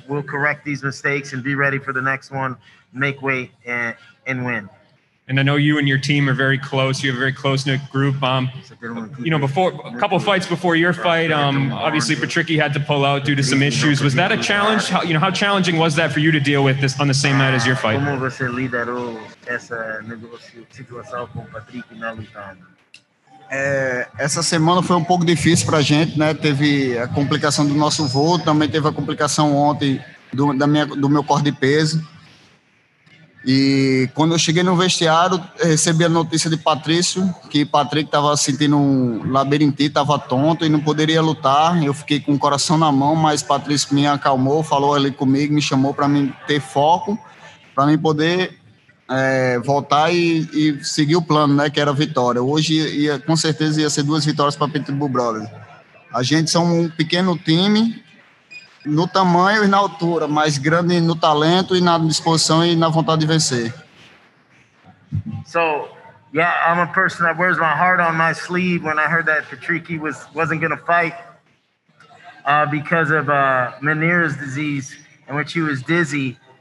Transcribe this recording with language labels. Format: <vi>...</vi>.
<en>We'll correct these mistakes and be ready for the next one, make weight, and win. And I know you and your team are very close. You have a very close-knit group. You know, before a couple of fights before your fight, obviously Patricky had to pull out due to some issues. Was that a challenge? How challenging was that for you to deal with this on the same night as your fight?</en> <pt>Como você liderou essa situação com Patrick na luta? Essa semana foi um pouco difícil para a gente, né? Teve a complicação do nosso voo, também teve a complicação ontem do meu corte de peso. E quando eu cheguei no vestiário, recebi a notícia de Patrício, que Patrick estava sentindo um labirintite, estava tonto e não poderia lutar. Eu fiquei com o coração na mão, mas Patrício me acalmou, falou ali comigo, me chamou para mim ter foco, para mim poder voltar e seguir o plano, né, que era a vitória. Hoje, com certeza, ia ser 2 vitórias para Pitbull Brothers. A gente são um pequeno time, no tamanho e na altura, mas grande no talento e na disposição e na vontade de vencer.</pt> <en>So, yeah, I'm a person that wears my heart on my sleeve when I heard that Patricky wasn't going to fight because of Meniere's disease, in which he was dizzy.</en>